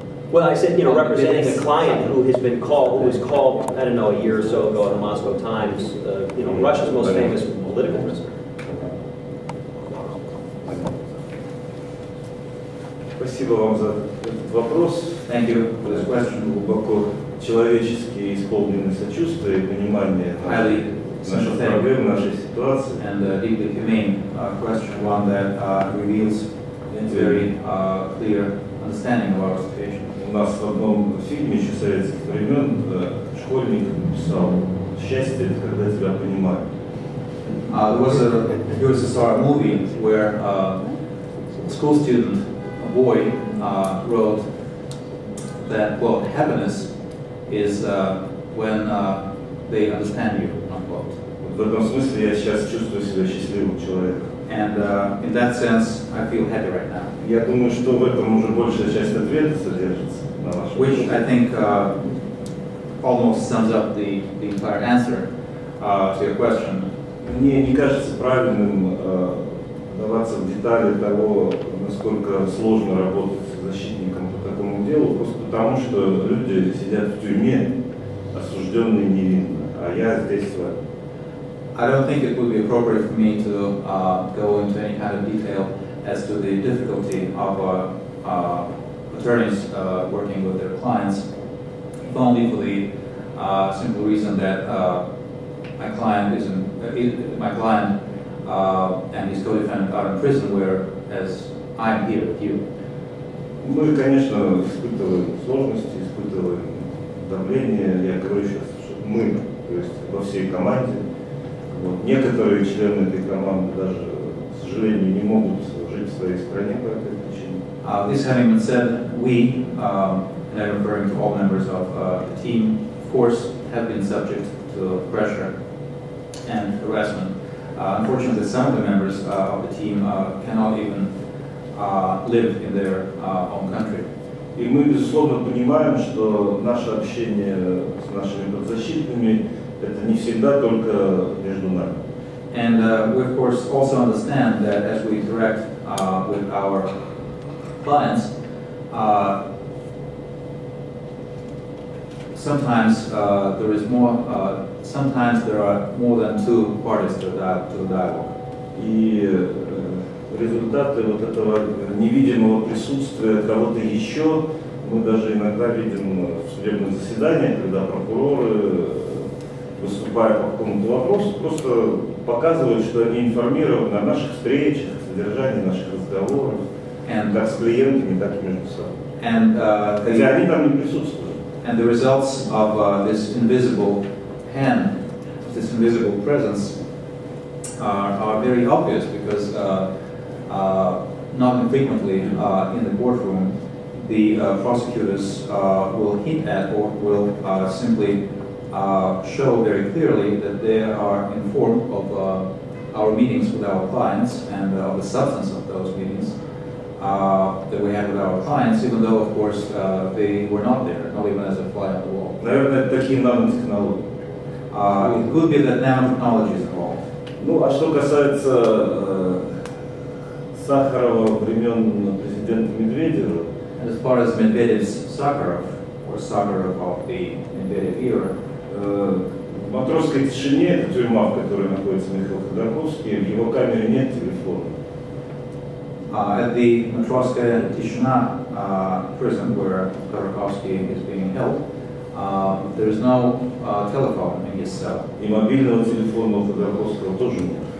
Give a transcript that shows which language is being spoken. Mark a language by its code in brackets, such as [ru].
[en] Well, I said, you know, representing a client who has been called, who was called, I don't know, a year or so ago in the Moscow Times, you know, Russia's most famous political prisoner. [ru] Спасибо вам за этот вопрос. [en] Thank you for this question. [ru] Глубоко человеческие исполненные сочувствия и понимание наших проблем, нашей ситуации. [en] And a deeply humane question, one that reveals a very clear understanding of our situation. [ru] У нас в одном фильме еще советских времен школьник написал «Счастье – это когда тебя понимают». [en] There was a USSR movie where a school student, a boy, wrote that, quote, «Happiness is when they understand you», unquote. [ru] В этом смысле я сейчас чувствую себя счастливым человеком. [en] And in that sense, I feel happy right now. [ru] Я думаю, что в этом уже большая часть ответа содержится. [en] Which I think almost sums up the entire answer to your question. [ru] Мне не кажется правильным вдаваться в детали того, насколько сложно работать с защитником по такому делу, просто потому что люди сидят в тюрьме, осужденные невинно, а я здесь с вами. [en] I don't think it would be appropriate for me to go into any kind of detail as to the difficulty of attorneys working with their clients, if only for the simple reason that my client and his co-defendant are in prison, whereas I am here with you. [ru] Мы, конечно, испытываем сложности, испытываем давление. Я говорю сейчас, что мы, то есть во всей команде, вот некоторые члены этой команды даже, к сожалению, не могут жить в своей стране по этой причине. [en] This having been said, we, and I'm referring to all members of the team, of course, have been subject to pressure and harassment. Unfortunately, some of the members of the team cannot even live in their own country. [ru] И мы, безусловно, понимаем, что наше общение с нашими подзащитными – это не всегда только между нами. [en] And we, of course, also understand that as we interact with our clients, sometimes there are more than two parties to the dialogue. [ru] И результаты вот этого невидимого присутствия кого-то еще мы даже иногда видим в судебных заседаниях, когда прокуроры, выступая по какому-то вопросу, просто показывают, что они информированы о наших встречах, содержании наших разговоров. And как с клиентами, так и между собой. Хотя они там не присутствуют. [en] And the results of this invisible hand, this invisible presence, are very obvious because not infrequently in the courtroom, the prosecutors will hint at or will simply show very clearly that they are informed of our meetings with our clients and of the substance of them. those meetings that we had with our clients, even though, of course, they were not there, not even as a fly on the wall. It could be that nanotechnology is involved. [ru] Ну, а что касается Сахарова времен президента Медведева, [en] and as far as Medvedev's Sakharov, or Sakharov of the Medvedev era, [ru] в матросской тишине, это тюрьма, в которой находится Михаил Ходорковский, в его камере нет телефона. [en] At the Matroska Tishina prison where Ходорковский is being held, there is no telephone in his cell. [ru] И мобильного телефона у Ходорковского тоже нет.